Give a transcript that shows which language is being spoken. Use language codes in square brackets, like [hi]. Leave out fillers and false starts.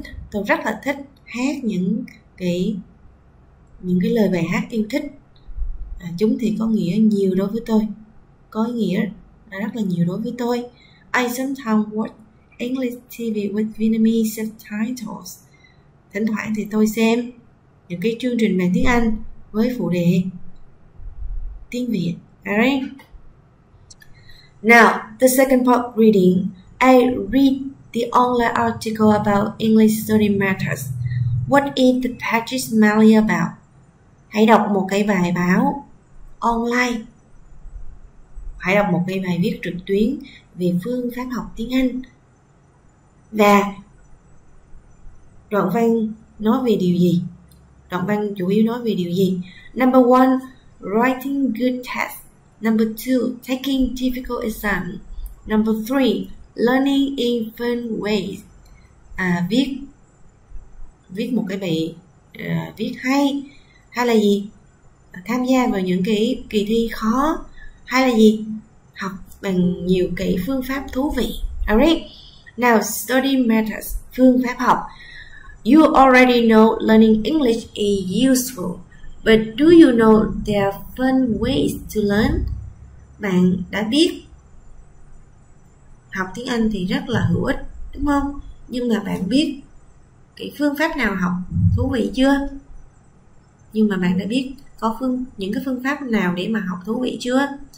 [vi] Tôi rất là thích hát những cái lời bài hát yêu thích. Chúng thì có nghĩa nhiều đối với tôi. Có nghĩa rất là nhiều đối với tôi. [en] I sometimes watch English TV with Vietnamese subtitles. [vi] Thỉnh thoảng thì tôi xem những cái chương trình bằng tiếng Anh với phụ đề tiếng Việt. [en] Alright. Now, the second part reading. I read the online article about English study matters. What is the page mainly about? [vi] Hãy đọc một cái bài báo online. Hãy đọc một cái bài viết trực tuyến về phương pháp học tiếng Anh. Và đoạn văn nói về điều gì? Đoạn văn chủ yếu nói về điều gì? [en] Number one, writing good tests. Number two, taking difficult exams. Number three, learning in fun ways. [vi] Viết một cái bài viết hay. Hay là gì? Tham gia vào những cái kỳ thi khó. Hay là gì? Học bằng nhiều cái phương pháp thú vị. [en] Alright. Now, study methods. [vi] Phương pháp học. [en] You already know learning English is useful. But do you know there are fun ways to learn? [vi] Bạn đã biết học tiếng Anh thì rất là hữu ích, đúng không? Nhưng mà bạn biết cái phương pháp nào học thú vị chưa? Nhưng mà bạn đã biết có những cái phương pháp nào để mà học thú vị chưa?